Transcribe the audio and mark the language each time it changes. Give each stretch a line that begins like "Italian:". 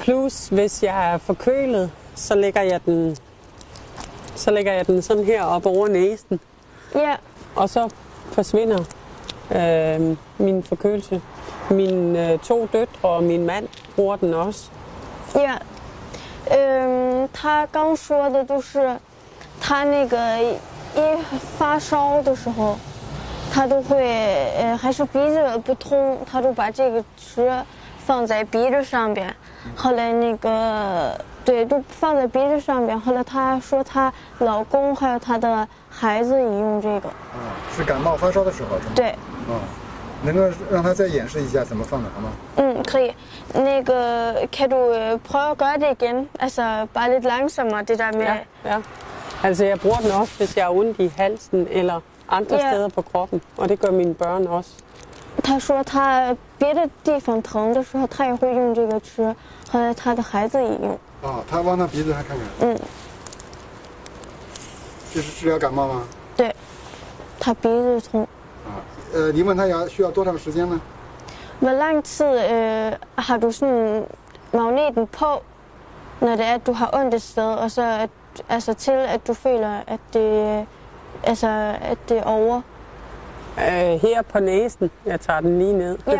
Danish: Plus, hvis jeg er forkølet. Så lægger jeg den, sådan her op over næsen. Ja.
English: Yeah.
Danish: Og så forsvinder min forkølelse. Mine 2 døtre og min mand bruger den også. Ja.
English: Yeah.
Chinese: 他刚说的就是，他那个一发烧的时候，他都会还是鼻子不通，他就把这个吃放在鼻子上边。后来那个。对，就放在鼻子上面。后来她说，她老公还有她的孩子也用这个。啊，是感冒发烧的时候。对。啊，能够让她再演示一下怎么放的好吗？嗯，可以。那个
Danish: ，kan du prøve at gøre det igen? Altså bare lidt langsommere det der med. Ja, ja. Altså jeg bruger den også, hvis jeg har ondt i halsen eller andre steder på kroppen, og det gør mine børn også. 他说他别的地方疼的时候，他也会用这个吃，和他的孩子也用。
Chinese: 哦，他往他鼻子上看看。嗯。这是治疗感冒吗？对，他鼻子痛。啊，你问他要需要多长时间呢？
Danish: Hvor lang tid har du sådan magneten på, når det du har ondt et sted, og så altså til at du føler at det altså at det over? Her på næsen, jeg tager den lige ned.